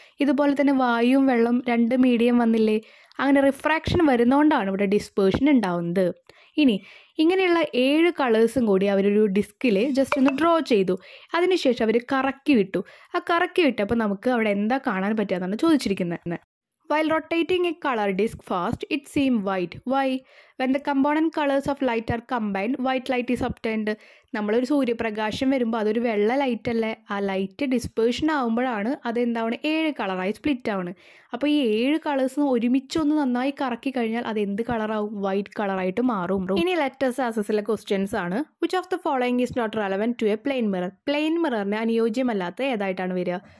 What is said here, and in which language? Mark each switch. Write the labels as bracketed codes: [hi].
[ml] ഇതുപോലെ തന്നെ വായുവും വെള്ളം രണ്ട് മീഡിയം വന്നില്ലേ, അങ്ങനെ റിഫ്രാക്ഷൻ വരുന്നതുകൊണ്ടാണ് ഇവിടെ ഡിസ്പേർഷൻ ഉണ്ടാവുന്നത്. ഇനി ഇങ്ങനെയുള്ള ഏഴ് കളേഴ്സും കൂടി അവരൊരു ഡിസ്കിൽ ജസ്റ്റ് ഒന്ന് ഡ്രോ ചെയ്തു. അതിനുശേഷം അവർ കറക്കി വിട്ടു. ആ കറക്കി വിട്ടപ്പോൾ നമുക്ക് അവിടെ എന്താ കാണാൻ പറ്റുകയെന്നാണ് ചോദിച്ചിരിക്കുന്നത്. [en] While rotating a color disk fast, it seems white. Why? When the component colors of light are combined, white light is obtained. [ml] നമ്മളൊരു സൂര്യപ്രകാശം വരുമ്പോൾ അതൊരു വെള്ള ലൈറ്റ് അല്ലേ, ആ ലൈറ്റ് ഡിസ്പേർഷൻ ആകുമ്പോഴാണ് അതെന്താവണ ഏഴ് കളറായി സ്പ്ലിറ്റ് ആവണ്. അപ്പോൾ ഈ ഏഴ് കളേഴ്സ് ഒരുമിച്ചൊന്ന് നന്നായി കറക്കി കഴിഞ്ഞാൽ അത് എന്ത് കളറാവും? വൈറ്റ് കളറായിട്ട് മാറും. ഇനി ലെറ്റസ് ആസസിലെ ക്വസ്റ്റ്യൻസ് ആണ്. [en] Which of the following is not relevant to a plane mirror? [ml] Plain മിററിന് അനുയോജ്യമല്ലാത്ത ഏതായിട്ടാണ് വരിക?